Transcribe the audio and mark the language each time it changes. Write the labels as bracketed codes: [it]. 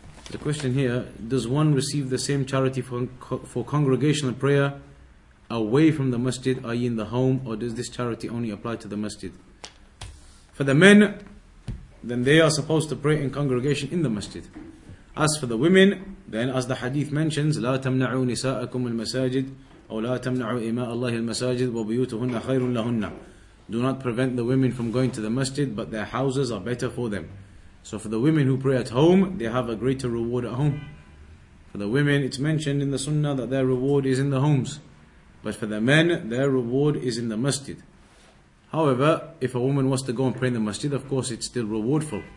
[en] The question here: does one receive the same charity for congregational prayer away from the masjid, i.e., in the home, or does this charity only apply to the masjid? For the men, then they are supposed to pray in congregation in the masjid. As for the women, then as the hadith mentions, [ar] لا تمنعوا نساءكم المساجد أو لا تمنعوا إماء الله المساجد وبيوتهن خير لهن. [en] Do not prevent the women from going to the masjid, but their houses are better for them. So for the women who pray at home, they have a greater reward at home. For the women, it's mentioned in the sunnah that their reward is in the homes. But for the men, their reward is in the masjid. However, if a woman wants to go and pray in the masjid, of course it's still rewardful.